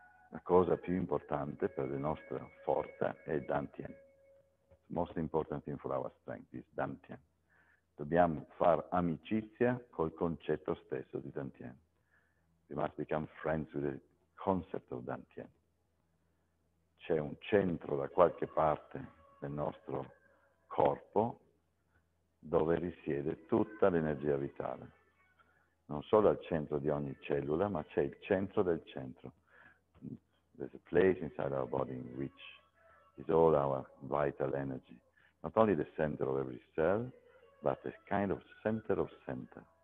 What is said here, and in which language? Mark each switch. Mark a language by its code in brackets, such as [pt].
[it] La cosa più importante per la nostra forza è Dantian. [en] The most important thing for our strength is Dantian. [it] Dobbiamo far amicizia col concetto stesso di Dantian. [en] We must become friends with the concept of Dantian. [it] C'è un centro da qualche parte del nostro corpo dove risiede tutta l'energia vitale. Non solo al centro di ogni cellula, ma c'è il centro del centro. [en] There's a place inside our body in which is all our vital energy. Not only the center of every cell, but a kind of center of center.